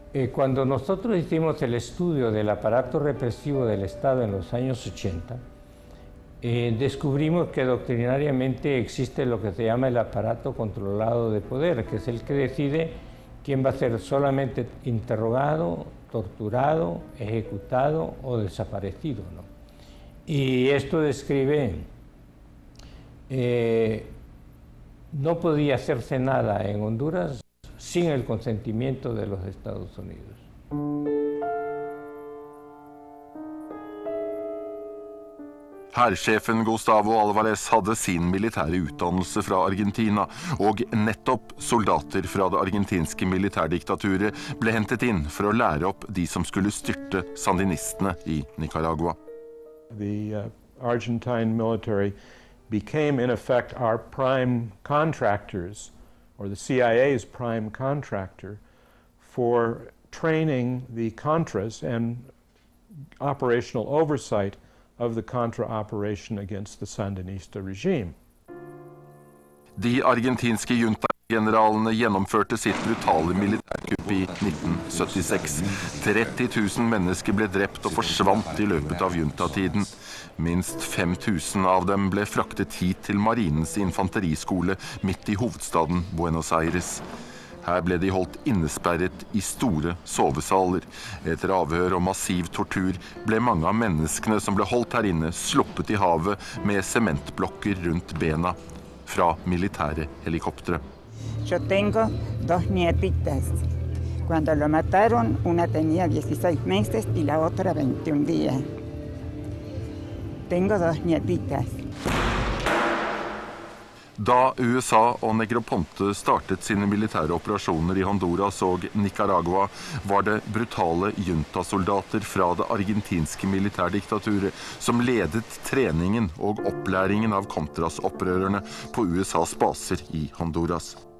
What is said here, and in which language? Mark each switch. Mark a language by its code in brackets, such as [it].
[es] Cuando nosotros hicimos el estudio del aparato represivo del Estado en los años 80, descubrimos que doctrinariamente existe lo que se llama el aparato controlado de poder, que es el que decide quién va a ser solamente interrogado, torturado, ejecutado o desaparecido, ¿no? Y esto describe... no podía hacerse nada en Honduras sin el consentimiento de los Estados Unidos. [no] Hærsjefen Gustavo Alvarez hadde sin militære utdannelse fra Argentina, og nettopp soldater fra det argentinske militærdiktaturet ble hentet inn for å lære opp de som skulle styrte sandinistene I Nicaragua. [en] The Argentine military became in effect our prime contractors, or the CIA's prime contractor, for training the Contras and operational oversight of the Contra operation against the Sandinista regime. [no] De argentinske junta-generalene gjennomførte sitt brutale militærkupp I 1976. 30 000 mennesker ble drept og forsvant I løpet av junta-tiden. Minst 5 000 av dem ble fraktet hit til marinens infanteriskole midt I hovedstaden Buenos Aires. Her ble de holdt innesperret I store sovesaler. Etter avhør og massiv tortur ble mange av menneskene som ble holdt her inne sluppet I havet med sementblokker rundt bena fra militære helikoptre. [es] Jeg tengo dos nietitas. Cuando lo mataron, una tenía 16 meses y la otra 21 días. Tengo dos nietitas. [no] Da USA og Negroponte startet sine militære operasjoner I Honduras og Nicaragua, var det brutale junta-soldater fra det argentinske militærdiktaturet som ledet treningen og opplæringen av kontrasopprørerne på USAs baser I Honduras.